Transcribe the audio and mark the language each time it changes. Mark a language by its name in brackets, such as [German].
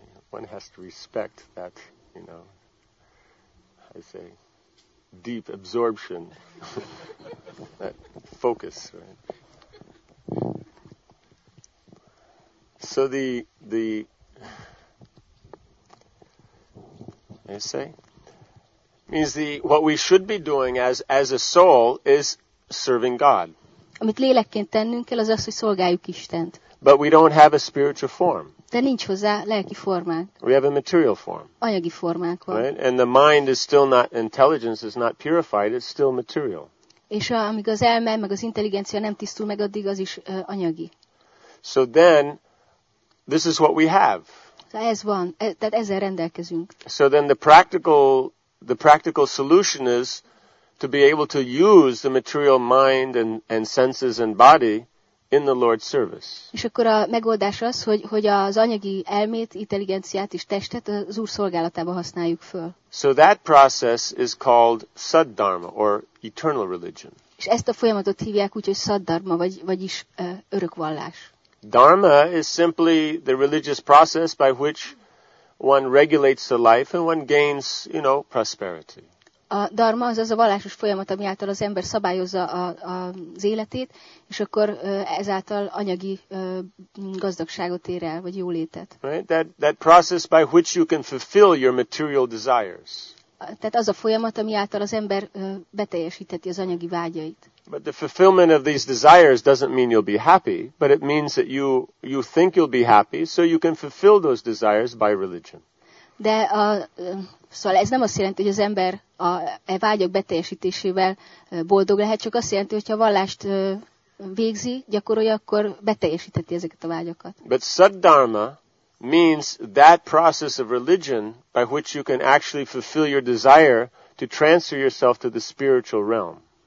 [English] One has to respect that, you know, I say, deep absorption, that focus. Right? So what we should be doing as a soul is serving God. [Hungarian] Amit lélekként tennünk kell, az, hogy szolgáljuk Istent. [English] But we don't have a spiritual form. [Hungarian] De nincs hozzá lelki formánk. [English] We have a material form. [Hungarian] Anyagi formánk van. [English] Right? And the mind is still not, intelligence is not purified, it's still material. [Hungarian] És amíg az elme, meg az intelligencia nem tisztul meg, addig az is anyagi. [English] So then, this is what we have. [Hungarian] Ez van, tehát ezzel rendelkezünk. [English] So then the practical solution is to be able to use the material mind and senses and body in the Lord's service. [Hungarian] És akkor a megoldás az, hogy az anyagi elmét, intelligenciát és testet az Úr szolgálatába használjuk föl. [English] So that process is called Saddharma or eternal religion. [Hungarian] És ezt a folyamatot hívják úgy, hogy Saddharma vagyis örök vallás. [English] Dharma is simply the religious process by which one regulates the life and one gains, you know, prosperity. [Hungarian] A dharma az a vallásos folyamat, ami által az ember szabályozza az életét, és akkor ezáltal anyagi gazdagságot ér el, vagy jólétet. [English] Right? That process by which you can fulfill your material desires. [Hungarian] Tehát az a folyamat, ami által az ember beteljesítheti az anyagi vágyait. [English] But the fulfillment of these desires doesn't mean you'll be happy, but it means that you think you'll be happy, so you can fulfill those desires by religion. [Hungarian] De a, szóval ez nem azt jelenti, hogy az ember a vágyak beteljesítésével boldog lehet, csak azt jelenti, hogyha a vallást végzi, gyakorolja, akkor beteljesítheti ezeket a vágyakat. [English] But Saddharma means that process of religion by which you can actually fulfill your desire to transfer yourself to the spiritual realm.